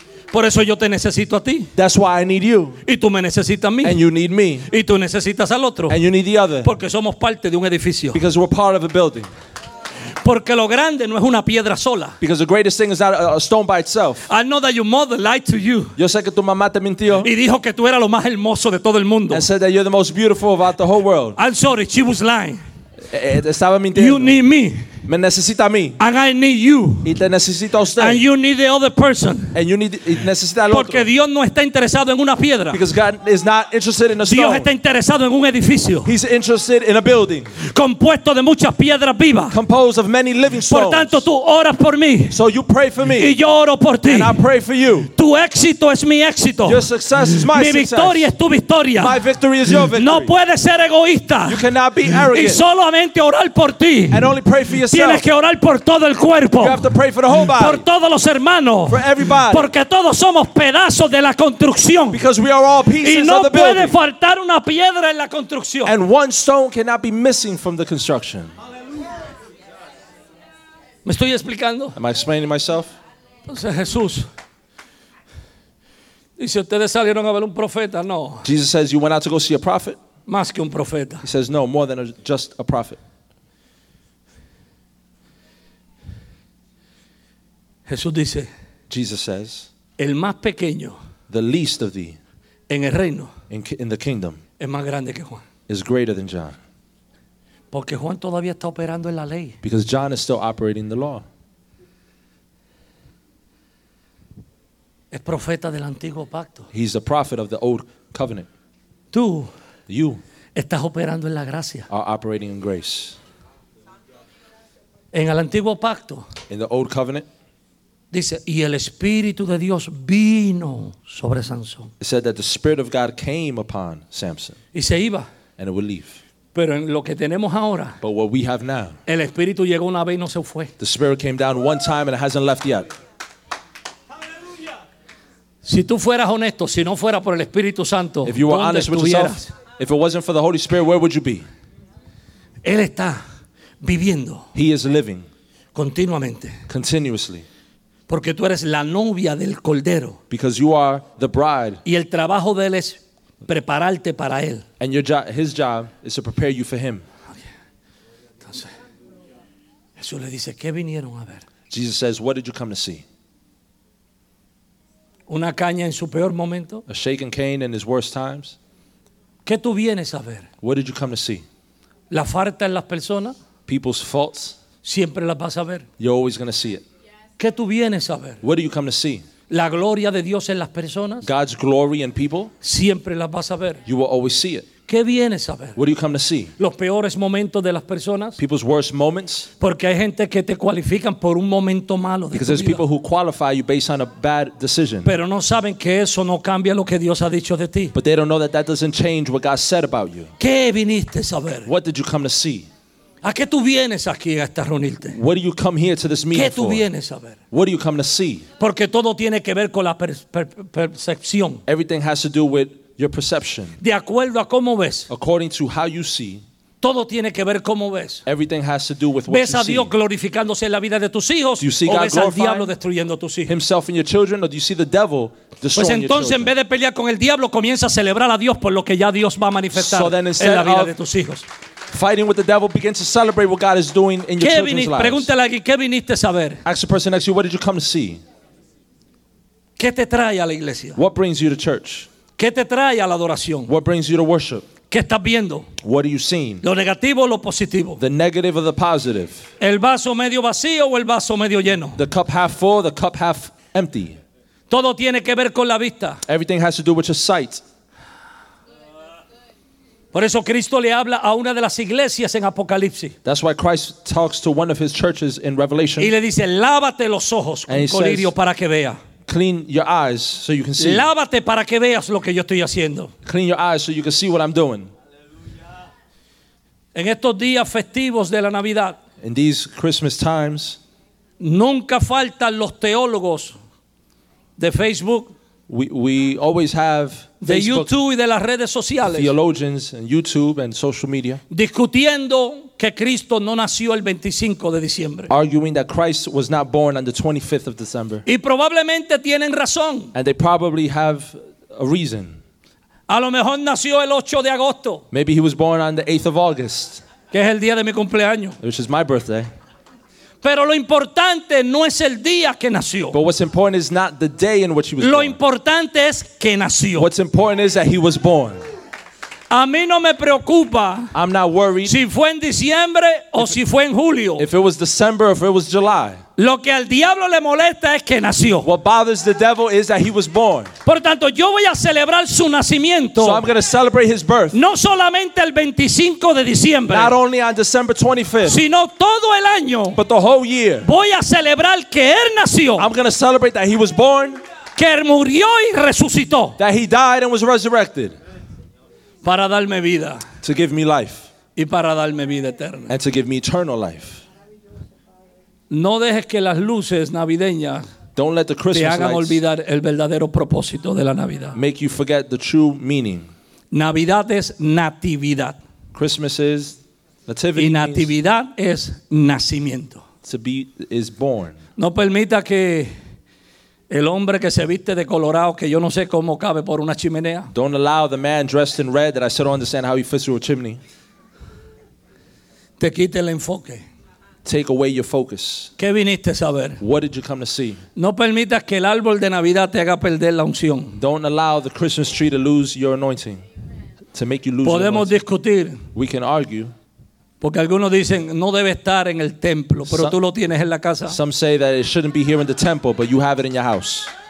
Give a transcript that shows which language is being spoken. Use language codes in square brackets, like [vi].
[es] Por eso yo te necesito a ti. [en] That's why I need you. [es] Y tú me necesitas a mí. [en] And you need me. [es] Y tú necesitas al otro. [en] And you need the other. [es] Porque somos parte de un edificio. [en] Because we're part of a building. [es] Porque lo grande no es una piedra sola. [en] Because the greatest thing is not a stone by itself. I know that your mother lied to you. [es] Yo sé que tu mamá te mintió. Y dijo que tú eras lo más hermoso de todo el mundo. [en] And said that you're the most beautiful about the whole world. I'm sorry, she was lying. [es] Estaba mintiendo. [en] You need me. [es] Me necesita a mí. [en] And I need you. [es] Y te necesito a usted. [en] And you need the other person. And you need, [es] y necesita al otro. Porque Dios no está interesado en una piedra. [en] Because God is not interested in a stone. [es] Dios está interesado en un edificio. [en] He's interested in a building. [es] Compuesto de muchas piedras vivas. [en] Composed of many living stones. [es] Por tanto, tú oras por mí. [en] So you pray for me. [es] Y yo oro por ti. [en] And I pray for you. [es] Tu éxito es mi éxito. [en] Your success is my success. [es] Mi victoria [en] success. [es] Es tu victoria. [en] My victory is your victory. [es] No puedes ser egoísta. [en] You cannot be arrogant. [es] Y solamente orar por ti. [en] And only pray for yourself. [es] Tienes que orar por todo el cuerpo, por todos los hermanos, porque todos somos pedazos de la construcción. Y no puede faltar una piedra en la construcción. [en] And one stone cannot be missing from the construction. [es] ¿Me estoy explicando? [en] Am I explaining myself? [es] Entonces Jesús dice, ustedes salieron a ver un profeta. No. [en] Jesus says you went out to go see a prophet. [es] Más que un profeta. [en] He says no, more than just a prophet. [es] Jesús dice, [en] Jesus says, [es] el más pequeño, [en] the least of thee, [es] en el reino, [en] in the kingdom, [es] es más grande que Juan, [en] is greater than John, [es] porque Juan todavía está operando en la ley, [en] because John is still operating the law. [es] Es profeta del antiguo pacto. [en] He's the prophet of the old covenant. [es] Tú, [en] you, [es] estás operando en la gracia, [en] are operating in grace. [es] En el antiguo pacto, [en] in the old covenant. [es] Dice, y el Espíritu de Dios vino sobre Sansón. [en] It said that the Spirit of God came upon Samson. [es] Y se iba. [en] And it would leave. [es] Pero en lo que tenemos ahora. [en] But what we have now. [es] El Espíritu llegó una vez y no se fue. [en] The Spirit came down one time and it hasn't left yet. [es] Si tú fueras honesto, si no fuera por el Espíritu Santo, [en] if you were honest with yourself, if it wasn't for the Holy Spirit, where would you be? [es] Él está viviendo. [en] He is living. [es] Continuamente. [en] Continuously. [es] Porque tú eres la novia del Cordero. [en] Because you are the bride. [es] Y el trabajo de él es prepararte para él. [en] And your job, his job is to prepare you for him. [es] Entonces, Jesús le dice, ¿qué vinieron a ver? [en] Jesus says, what did you come to see? [es] Una caña en su peor momento. [en] A shaken cane in his worst times. [es] ¿Qué tú vienes a ver? [en] What did you come to see? [es] La falta en las personas. [en] People's faults. [es] Siempre las vas a ver. [en] You're always going to see it. [es] ¿Qué tú vienes a ver? [en] What do you come to see? [es] La gloria de Dios en las personas. [en] God's glory in people. [es] Siempre las vas a ver. [en] You will always see it. [es] ¿Qué vienes a ver? [en] What do you come to see? [es] Los peores momentos de las personas. [en] People's worst moments. [es] Porque hay gente que te cualifican por un momento malo de tu vida. [en] Because there's people who qualify you based on a bad decision. [es] Pero no saben que eso no cambia lo que Dios ha dicho de ti. [en] But they don't know that that doesn't change what God said about you. [es] ¿Qué viniste a ver? [en] What did you come to see? [es] ¿A qué tú vienes aquí a reunirte? [en] What do you come here to this meeting [es] ¿Qué tú vienes [en] for? [es] A ver? [en] What do you come to see? [es] Porque todo tiene que ver con la percepción. [en] Everything has to do with your perception. [es] De acuerdo a cómo ves. [en] According to how you see. [es] Todo tiene que ver cómo ves. [en] Everything has to do with what [es] ¿Ves a Dios [en] see? [es] Glorificándose en la vida de tus hijos? [en] Do you see [es] ¿O [en] God [es] ves al diablo destruyendo tus hijos? [en] Himself in your children, or do you see the devil destroying [es] pues entonces [en] your children? [es] En vez de pelear con el diablo, comienza a celebrar a Dios por lo que ya Dios va a manifestar [en] so [es] en la vida de tus hijos. [en] Fighting with the devil begins to celebrate what God is doing in your children's lives. [es] Pregúntale a alguien, ¿qué viniste a ver? [en] Ask the person next to you, what did you come to see? [es] ¿Qué te trae a la iglesia? [en] What brings you to church? [es] ¿Qué te trae a la adoración? [en] What brings you to worship? [es] ¿Qué estás viendo? [en] What are you seeing? [es] ¿Lo negativo o lo positivo? [en] The negative or the positive? [es] ¿El vaso medio vacío o el vaso medio lleno? [en] The cup half full, the cup half empty? [es] Todo tiene que ver con la vista. [en] Everything has to do with your sight. [es] Por eso Cristo le habla a una de las iglesias en Apocalipsis. [en] That's why Christ talks to one of his churches in Revelation. [es] Y le dice, lávate los ojos con colirio para que vea. [en] Clean your eyes so you can see. [es] Lávate para que veas lo que yo estoy haciendo. [en] Clean your eyes so you can see what I'm doing. [es] En estos días festivos de la Navidad. [en] In these Christmas times. [es] Nunca faltan los teólogos de Facebook. [en] We always have Facebook, [es] de YouTube y de las redes sociales, [en] theologians and YouTube and social media, [es] discutiendo que Cristo no nació el 25 de diciembre. [en] Arguing that Christ was not born on the 25th of December. [es] Y probablemente tienen razón. [en] And they probably have a reason. [es] A lo mejor nació el 8 de agosto. [en] Maybe he was born on the 8th of August. [es] Que es el día de mi cumpleaños. [en] Which is my birthday. [es] Pero lo importante no es el día que nació. [en] But what's important is not the day in which he was born. [es] Lo importante es que nació. [en] What's important is that he was born. [es] A mí no me preocupa. [en] I'm not worried. [es] Si fue en diciembre o si fue en julio. [en] If it was December or if it was July. [es] Lo que al diablo le molesta es que nació. [en] What bothers the devil is that he was born. [es] Por tanto, yo voy a celebrar su nacimiento. [en] So I'm going to celebrate his birth. [es] No solamente el 25 de diciembre. [en] Not only on December 25th. [es] Sino todo el año. [en] But the whole year. [es] Voy a celebrar que él nació. [en] I'm going to celebrate that he was born. [es] Que él murió y resucitó. [en] That he died and was resurrected. [es] Para darme vida. [en] To give me life. [es] Y para darme vida eterna. [en] And to give me eternal life. [es] No dejes que las luces navideñas [en] don't let the Christmas [es] te hagan olvidar el verdadero propósito de la Navidad. [en] Make you forget the true meaning. [es] Navidad es natividad. [en] Christmas is nativity. [es] Y natividad es nacimiento. [en] To be is born. [es] No permita que el hombre que se viste de colorado, que yo no sé cómo cabe por una chimenea. [en] Don't allow the man dressed in red that I still don't understand how he fits through a chimney. [es] Te quite el enfoque. [en] Take away your focus. [es] ¿Qué viniste a ver? [en] What did you come to see? [es] No permitas que el árbol de Navidad te haga perder la unción. [en] Don't allow the Christmas tree to lose your anointing. To make you lose [es] Podemos [en] your anointing. [es] Discutir. [en] We can argue. [es] Porque algunos dicen, no debe estar en el templo, pero [en] some, [es] tú lo tienes en la casa. [en] Some say that it shouldn't be here in the temple, but you have it in your house.